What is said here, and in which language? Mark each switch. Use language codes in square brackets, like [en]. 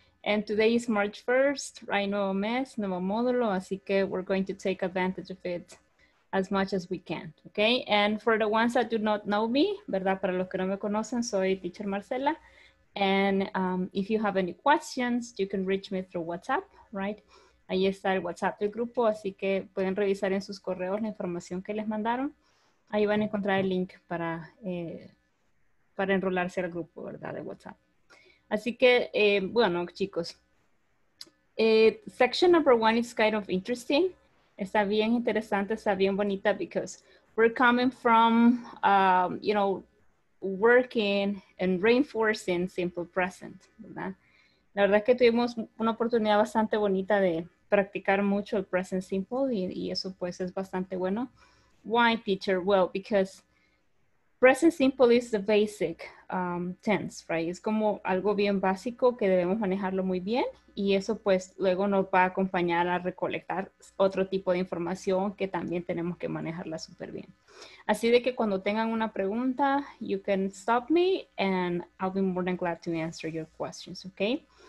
[en] And today is March 1st, right, [es] nuevo mes, nuevo módulo, así que [en] we're going to take advantage of it as much as we can, okay? And for the ones that do not know me, [es] verdad, para los que no me conocen, soy [en] teacher Marcela. And if you have any questions, you can reach me through WhatsApp, right? [es] Ahí está el WhatsApp del grupo, así que pueden revisar en sus correos la información que les mandaron. Ahí van a encontrar el link para enrolarse al grupo, ¿verdad? De WhatsApp. Así que, bueno, chicos. [en] Section number 1 is kind of interesting. [es] Está bien interesante, está bien bonita, [en] because we're coming from, you know, working and reinforcing simple present, [es] ¿verdad? La verdad es que tuvimos una oportunidad bastante bonita de practicar mucho el present simple y eso pues es bastante bueno. [en] Why, teacher? Well, because present simple is the basic tense, right? [es] Es como algo bien básico que debemos manejarlo muy bien y eso pues luego nos va a acompañar a recolectar otro tipo de información que también tenemos que manejarla súper bien. Así de que cuando tengan una pregunta, [en] you can stop me and I'll be more than glad to answer your questions, okay?